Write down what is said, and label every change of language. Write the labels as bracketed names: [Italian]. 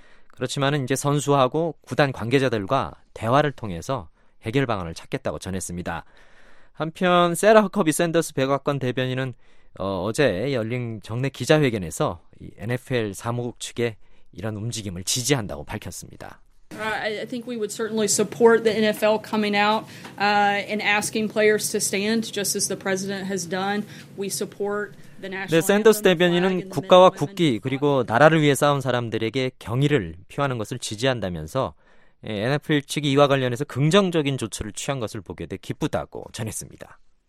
[Korean] 그렇지만은 이제 선수하고 구단 관계자들과 대화를 통해서 해결 방안을 찾겠다고 전했습니다. 한편 세라 허커비 샌더스 백악관 대변인은 어제 열린 정례 기자회견에서 이 NFL 사무국 측의 이런 움직임을 지지한다고 밝혔습니다. [English] I think we would certainly support the NFL coming out and asking players to stand just as the president has done. We support [Korean] 네, 샌더스 대변인은 국가와 국기 그리고 나라를 위해 싸운 사람들에게 경의를 표하는 것을 지지한다면서 NFL 측이 이와 관련해서 긍정적인 조치를 취한 것을 보게 돼 기쁘다고 전했습니다.